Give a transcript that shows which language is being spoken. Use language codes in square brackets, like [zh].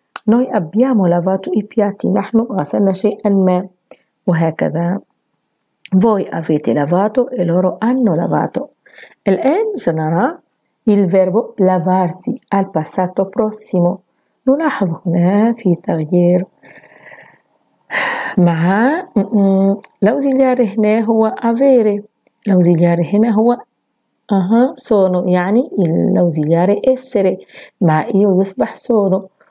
[it] نوي أبيامو لافاتو إي بياتي، [ar] نحن غسلنا شيئا ما. [it] وهكذا voi avete lavato e loro hanno lavato. [ar] الآن سنرى [it] il verbo lavarsi al passato prossimo. [ar] نلاحظ هنا في تغيير مع l'ausiliare هنا هو avere، l'ausiliare هنا هو sono، يعني l'ausiliare essere مع io يصبح sono.